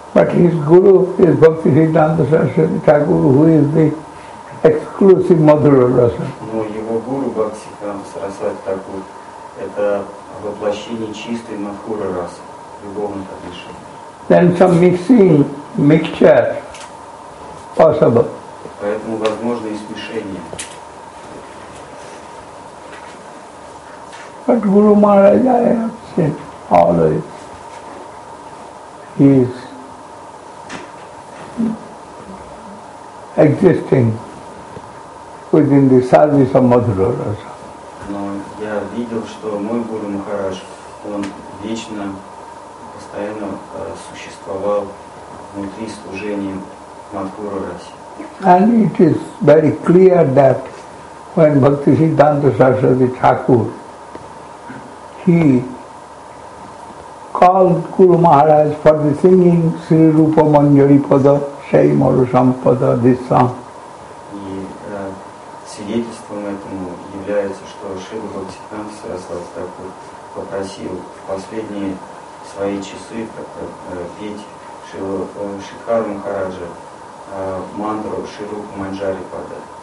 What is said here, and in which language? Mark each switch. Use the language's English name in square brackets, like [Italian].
[English] But his guru is Bhakti Siddhanta Saraswati Thakur, who is the exclusive Madhura Rasa. [Russian] Но его гуру Бхакти Сиддханта Сарасвати Такур это воплощение чистой Мадхура Раса, любовных отношений. [English] Then some mixing, mixture possible. [Russian] Поэтому возможно и смешение. [English] But Guru Maharaj, I have said, always he is existing within the service of Madhura Rasa. [Russian] Но я видел, что мой Гуру Махарадж, он вечно, постоянно существовал внутри служения Мадхура Раса. [English] And it is very clear that when Bhakti Siddhanta Saraswati Thakur, he called Guru Maharaj for the singing Sri Rupa Manjari Pada, Shai Maru Sampada, this song. [Russian] И свидетельством этому является, что Шрила Бхактисиддханта Сарасвати Такур попросил в последние свои часы петь Шрикхару Махараджа мантру Шри Рупа Манджари Пада.